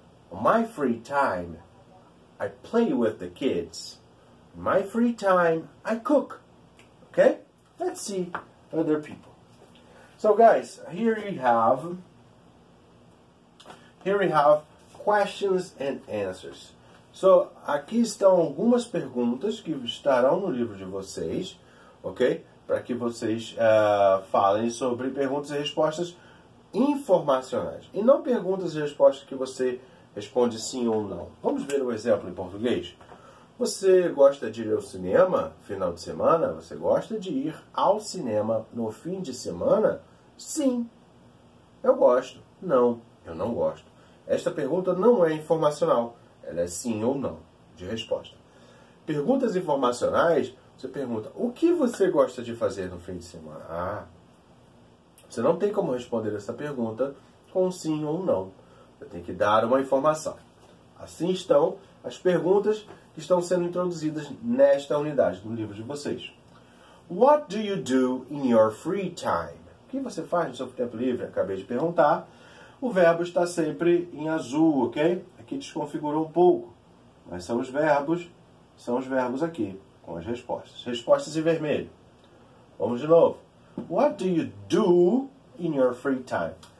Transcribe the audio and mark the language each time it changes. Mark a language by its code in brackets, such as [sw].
[en] On my free time, I play with the kids. In my free time, I cook. Okay? Let's see other people. So guys, here we have questions and answers. [pt] So, aqui estão algumas perguntas que estarão no livro de vocês, ok? Para que vocês falem sobre perguntas e respostas informacionais. E não perguntas e respostas que você responde sim ou não. Vamos ver um exemplo em português. Você gosta de ir ao cinema final de semana? Você gosta de ir ao cinema no fim de semana? Sim. Eu gosto. Não. Eu não gosto. Esta pergunta não é informacional. Ela é sim ou não de resposta. Perguntas informacionais, você pergunta, o que você gosta de fazer no fim de semana? Ah, você não tem como responder essa pergunta com sim ou não. Você tem que dar uma informação. Assim estão as perguntas que estão sendo introduzidas nesta unidade do livro de vocês. [en] What do you do in your free time? [pt] O que você faz no seu tempo livre? Acabei de perguntar. O verbo está sempre em azul, ok? Aqui desconfigurou um pouco. Mas são os verbos aqui, com as respostas. Respostas em vermelho. Vamos de novo. [en] What do you do in your free time?